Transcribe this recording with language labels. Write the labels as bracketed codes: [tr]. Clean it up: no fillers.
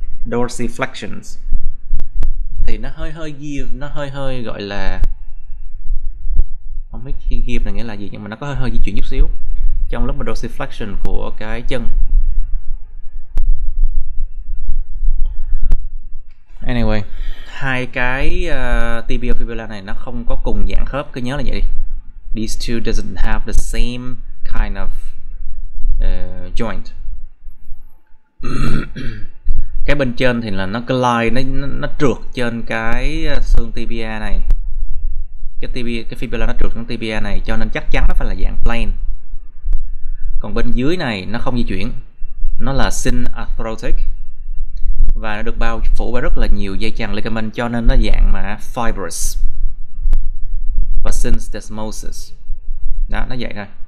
[vi] Dorsiflexions. Thì nó hơi hơi give, nó hơi hơi gọi là không biết khi give này nghĩa là gì, nhưng mà nó có hơi hơi di chuyển chút xíu trong lúc mà dorsiflexion của cái chân. Anyway, hai cái tibial fibula này nó không có cùng dạng khớp, cứ nhớ là vậy đi. [en] These two doesn't have the same kind of joint. [vi] Cái bên trên thì là nó glide, nó trượt trên cái xương tibia này, cái fibula nó trượt xuống tibia này, cho nên chắc chắn nó phải là dạng plane. Còn bên dưới này nó không di chuyển, nó là syn-arthrotic và nó được bao phủ bởi rất là nhiều dây chằng ligament, cho nên nó dạng mà fibrous và syndesmosis. Đó, nó vậy thôi.